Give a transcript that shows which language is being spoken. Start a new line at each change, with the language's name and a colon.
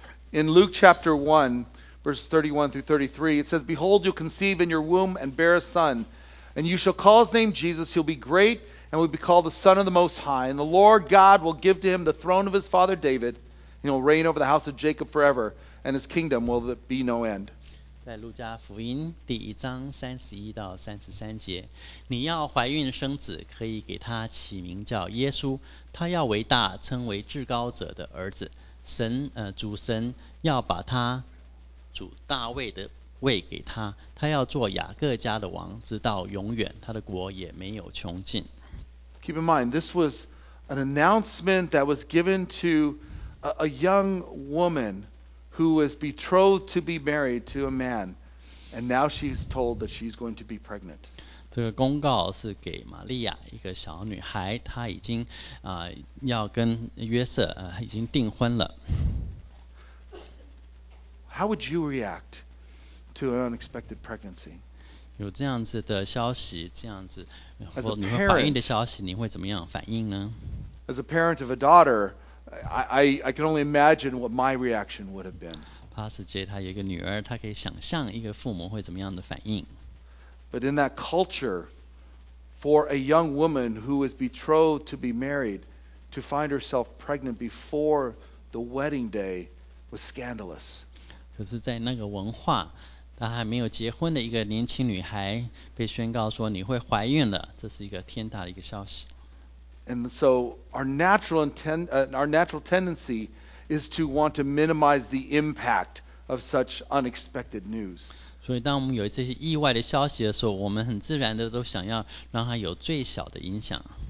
English: In Luke chapter 1, verses 31 through 33, it says, Behold, you'll conceive in your womb and bear a son, and you shall call his name Jesus. He'll be great and will be called the Son of the Most High. And the Lord God will give to him the throne of his father David, and he'll reign over the house of Jacob forever, and his kingdom will be no end.
Chinese: 在路加福音第一章31到33节，你要怀孕生子，可以给他起名叫耶稣，他要为大，称为至高者的儿子。神主神要把他主大卫的位给他，他要做雅各家的王，直到永远，他的国也没有穷尽。
English: Keep in mind, this was an announcement that was given to a young woman who was betrothed to be married to a man, and now she's told that she's going to be pregnant.
Chinese: 这个公告是给玛利亚一个小女孩，她已经要跟约瑟已经订婚了。
English: How would you react to an unexpected pregnancy?
Chinese: 有这样子的消息，这样子或你会反应的消息，你会怎么样反应呢？
English: As a parent of a daughter, I can only imagine what my reaction would have been.
Chinese: Pastor Jay 他有一个女儿，他可以想象一个父母会怎么样的反应。
English: But in that culture, for a young woman who is betrothed to be married to find herself pregnant before the wedding day was scandalous.
Chinese: 可是在那个文化，她还没有结婚的一个年轻女孩被宣告说你会怀孕了，这是一个天大的一个消息。
English: And so our natural tendency is to want to minimize the impact of such unexpected news.
Chinese: 所以当我们有这些意外的消息的时候，我们很自然的都想要让它有最小的影响。